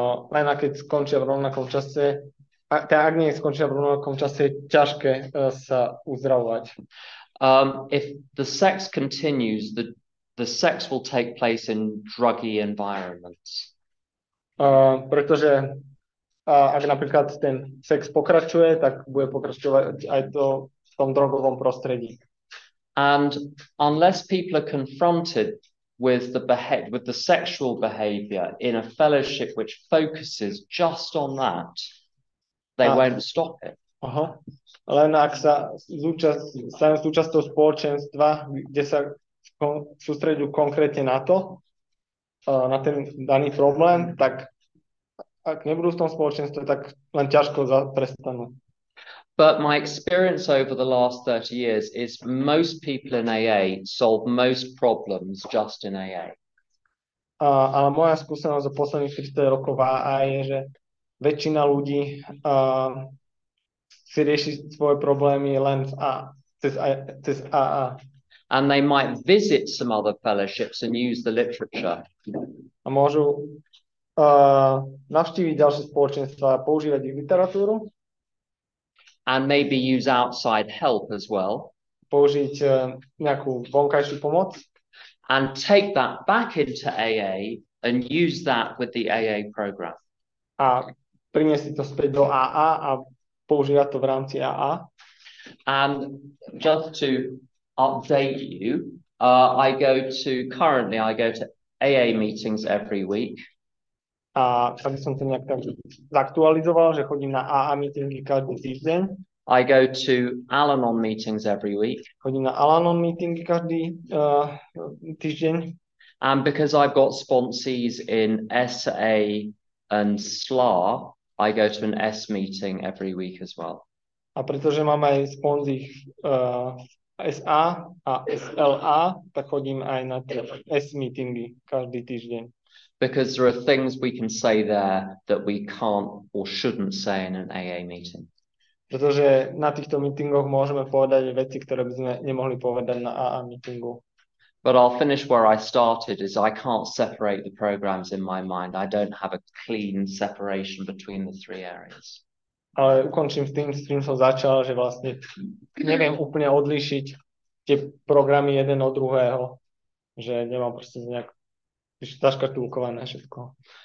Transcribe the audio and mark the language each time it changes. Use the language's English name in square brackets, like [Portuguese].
[Slovak] Len ak skončia v rovnakom čase, ak nie skončia v rovnakom čase, je ťažké sa uzdravovať. [English] If the sex continues, the sex will take place in druggy environments. [Slovak] Pretože ak napríklad ten sex pokračuje, tak bude pokračovať aj to v tom drogovom prostredí. [English] And unless people are confronted, with the sexual behavior in a fellowship which focuses just on that, they won't stop it. Aha. [Slovak] Len ak sa súčasťou spoločenstva, kde sa sústredujú konkrétne na to, na ten daný problém, tak ak nebudú v tom spoločenstve, tak len ťažko prestanú. [English] But my experience over the last 30 years is most people in AA solve most problems just in AA. [Slovak] A moja skúsenosť za posledných 30 rokov AA je, že väčšina ľudí si rieši svoje problémy len v cez AA. [English] And they might visit some other fellowships and use the literature. [Slovak] A môžu navštíviť ďalšie spoločenstva a používať ich literatúru. [English] And maybe use outside help as well. [Slovak] Použiť nejakú vonkajšiu pomoc. [English] And take that back into AA and use that with the AA program. [Slovak] A priniesť to späť do AA a používať to v rámci AA. [English] And just to update you, I go to AA meetings every week. [Slovak] A aby som to nejak tak zaktualizoval, že chodím na AA meetingy každý týždeň. [English] I go to Al-Anon meetings every week. [Slovak] Chodím na Al-Anon meetingy každý týždeň. [English] And because I've got sponsees in SA and SLA, I go to an S meeting every week as well. [Slovak] A pretože mám aj sponzí SA a SLA, tak chodím aj na tie S meetingy každý týždeň. [English] Because there are things we can say there that we can't or shouldn't say in an AA meeting. [Slovak] Pretože na týchto meetingoch môžeme povedať veci, ktoré by sme nemohli povedať na AA meetingu. [English] But I'll finish where I started, is I can't separate the programs in my mind. I don't have a clean separation between the three areas. [Slovak] Ale ukončím s tým som začal, že vlastne neviem úplne odlíšiť tie programy jeden od druhého, že nemám proste nejak zaškatulkované všetko.